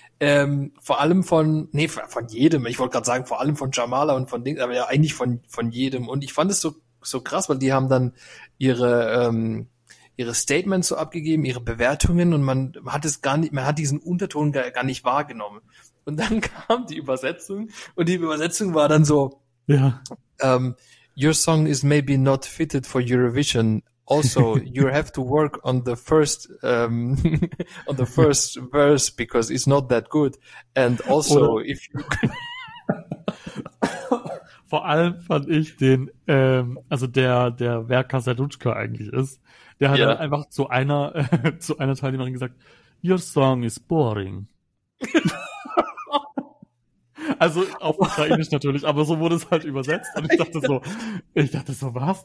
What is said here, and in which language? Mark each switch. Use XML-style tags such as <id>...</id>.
<de>Vor allem von jedem. Ich wollte gerade sagen, vor allem von Jamala und von Ding, aber ja eigentlich von jedem. Und ich fand es so krass, weil die haben dann ihre Statements so abgegeben, ihre Bewertungen, und man hat diesen Unterton gar nicht wahrgenommen. Und dann kam die Übersetzung, und die Übersetzung war dann so, ja.</de> <en>Your song is maybe not fitted for Eurovision. Also, you have to work on the first on the first verse, because it's not that good. And also, if you...</en> <de>Vor allem fand ich den, also der wer Kasaduchka eigentlich ist, der hat dann einfach zu einer Teilnehmerin gesagt,</de> <en>your song is boring.</en> <de>Also auf Ukrainisch natürlich, aber so wurde es halt übersetzt. Und ich dachte so, was?</de>